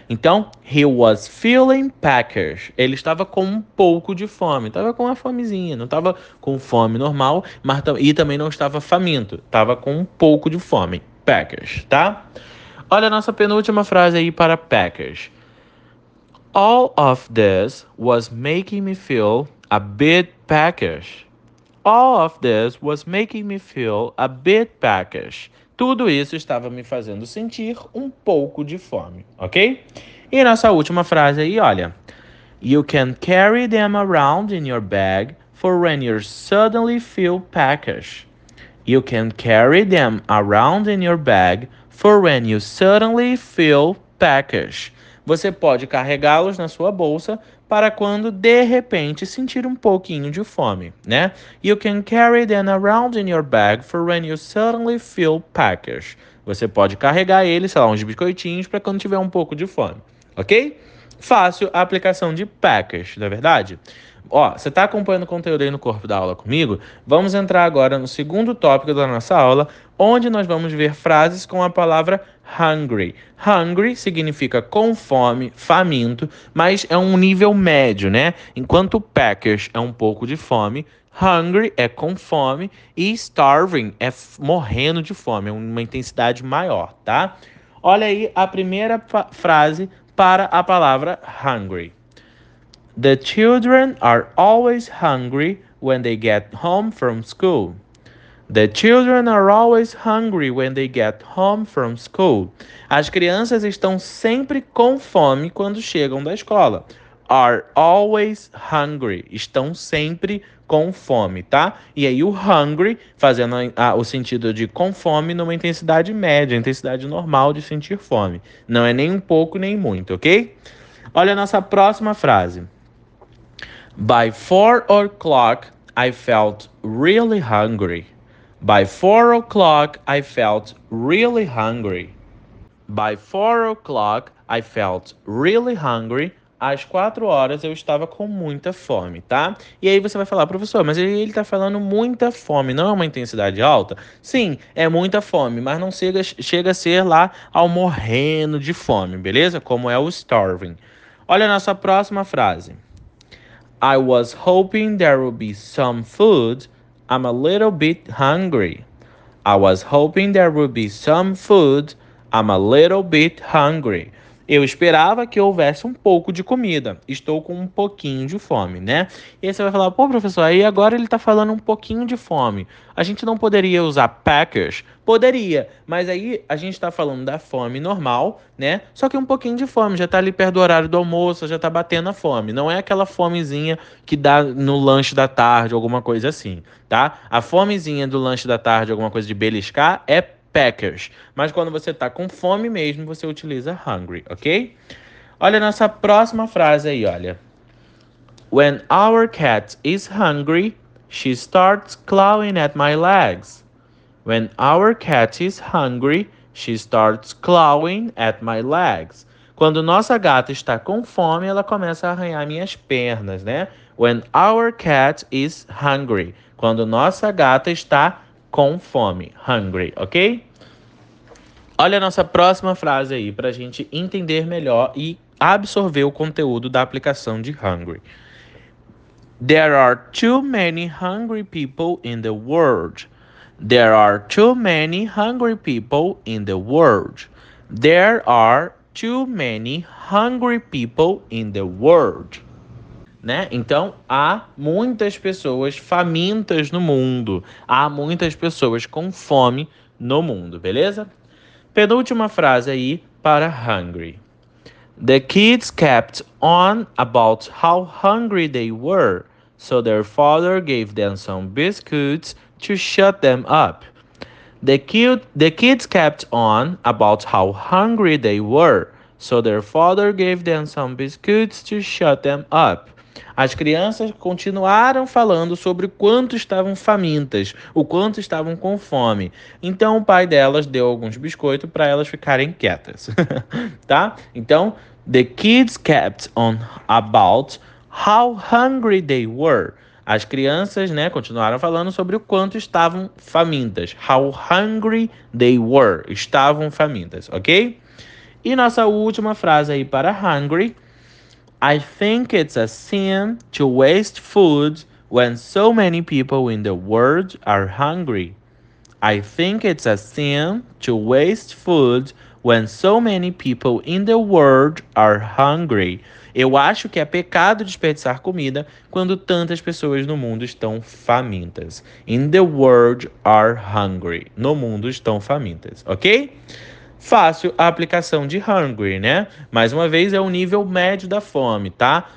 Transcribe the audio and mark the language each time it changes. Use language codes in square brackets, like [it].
[pt] Então, [en] he was feeling peckish. [pt] Ele estava com um pouco de fome, estava com uma fomezinha, não estava com fome normal, mas e também não estava faminto, estava com um pouco de fome. Peckish, tá? Olha a nossa penúltima frase aí para peckish. [en] All of this was making me feel a bit peckish. All of this was making me feel a bit peckish. [pt] Tudo isso estava me fazendo sentir um pouco de fome, ok? E nossa última frase aí, olha. [en] You can carry them around in your bag for when you suddenly feel peckish. You can carry them around in your bag for when you suddenly feel peckish. [pt] Você pode carregá-los na sua bolsa para quando, de repente, sentir um pouquinho de fome, né? [en] You can carry them around in your bag for when you suddenly feel peckish. [pt] Você pode carregar eles, sei lá, uns biscoitinhos para quando tiver um pouco de fome, ok? Fácil a aplicação de peckish, não é verdade? Ó, você está acompanhando o conteúdo aí no corpo da aula comigo? Vamos entrar agora no segundo tópico da nossa aula, onde nós vamos ver frases com a palavra hungry. Hungry significa com fome, faminto, mas é um nível médio, né? Enquanto peckish é um pouco de fome, hungry é com fome e starving é morrendo de fome, é uma intensidade maior, tá? Olha aí a primeira frase para a palavra hungry. [en] The children are always hungry when they get home from school. The children are always hungry when they get home from school. [pt] As crianças estão sempre com fome quando chegam da escola. [en] Are always hungry. [pt] Estão sempre com fome, tá? E aí o hungry, fazendo o sentido de com fome numa intensidade média, intensidade normal de sentir fome. Não é nem um pouco, nem muito, ok? Olha a nossa próxima frase. [en] By 4 o'clock, I felt really hungry. By 4 o'clock, I felt really hungry. By 4 o'clock, I felt really hungry. [pt] Às 4 horas, eu estava com muita fome, tá? E aí você vai falar, professor, mas ele está falando muita fome, não é uma intensidade alta? Sim, é muita fome, mas não chega a ser lá ao morrendo de fome, beleza? Como é o starving. Olha a nossa próxima frase. [en] I was hoping there would be some food. I'm a little bit hungry. I was hoping there would be some food. I'm a little bit hungry. [pt] Eu esperava que houvesse um pouco de comida. Estou com um pouquinho de fome, né? E aí você vai falar, pô, professor, aí agora ele está falando um pouquinho de fome. A gente não poderia usar peckish? Poderia, mas aí a gente está falando da fome normal, né? Só que um pouquinho de fome, já está ali perto do horário do almoço, já está batendo a fome. Não é aquela fomezinha que dá no lanche da tarde, alguma coisa assim, tá? A fomezinha do lanche da tarde, alguma coisa de beliscar, é peckish. Mas quando você está com fome mesmo, você utiliza hungry, ok? Olha a nossa próxima frase aí, olha. [en] When our cat is hungry, she starts clawing at my legs. When our cat is hungry, she starts clawing at my legs. [pt] Quando nossa gata está com fome, ela começa a arranhar minhas pernas, né? [en] When our cat is hungry. [pt] Quando nossa gata está com fome. Hungry, ok? Olha a nossa próxima frase aí para a gente entender melhor e absorver o conteúdo da aplicação de hungry. [en] There are too many hungry people in the world. There are too many hungry people in the world. There are too many hungry people in the world. [pt] Né? Então, há muitas pessoas famintas no mundo. Há muitas pessoas com fome no mundo, beleza? Penúltima frase aí para hungry. [en] The kids kept on about how hungry they were, so their father gave them some biscuits to shut them up. The kids kept on about how hungry they were, so their father gave them some biscuits to shut them up. [pt] As crianças continuaram falando sobre o quanto estavam famintas, o quanto estavam com fome. Então o pai delas deu alguns biscoitos para elas ficarem quietas, tá? Então, [en] The kids kept on about how hungry they were. [pt] As crianças, né, continuaram falando sobre o quanto estavam famintas. [en] How hungry they were. [pt] Estavam famintas, ok? E nossa última frase aí para hungry. [en] I think it's a sin to waste food when so many people in the world are hungry. I think it's a sin to waste food when so many people in the world are hungry. [pt] Eu acho que é pecado desperdiçar comida quando tantas pessoas no mundo estão famintas. [en] In the world are hungry. [pt] No mundo estão famintas, ok? Fácil a aplicação de hungry, né? Mais uma vez, é o nível médio da fome, tá?